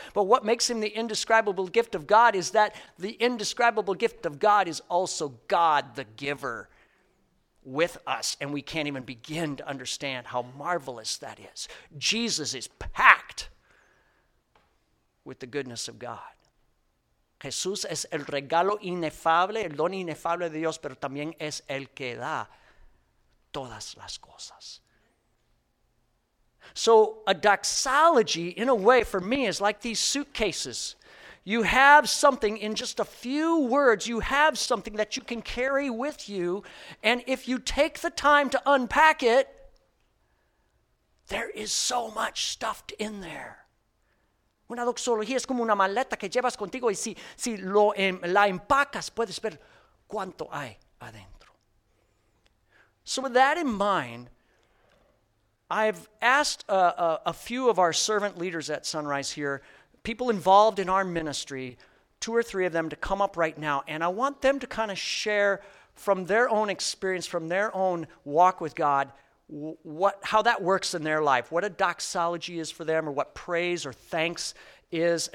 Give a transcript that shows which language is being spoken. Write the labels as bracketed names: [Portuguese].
[English] But what makes him the indescribable gift of God is that the indescribable gift of God is also God, the giver, with us, and we can't even begin to understand how marvelous that is. Jesus is packed with the goodness of God. [Spanish] Jesús es el regalo inefable, el don inefable de Dios, pero también es el que da todas las cosas. [English] So a doxology, in a way, for me, is like these suitcases. You have something in just a few words. You have something that you can carry with you. And if you take the time to unpack it, there is so much stuffed in there. [Spanish] Una doxología es como una maleta que llevas contigo, y si la empacas, puedes ver cuánto hay adentro. [English] So with that in mind, I've asked a few of our servant leaders at Sunrise here, people involved in our ministry, two or three of them, to come up right now, and I want them to kind of share from their own experience, from their own walk with God, how that works in their life, what a doxology is for them, or what praise or thanks is.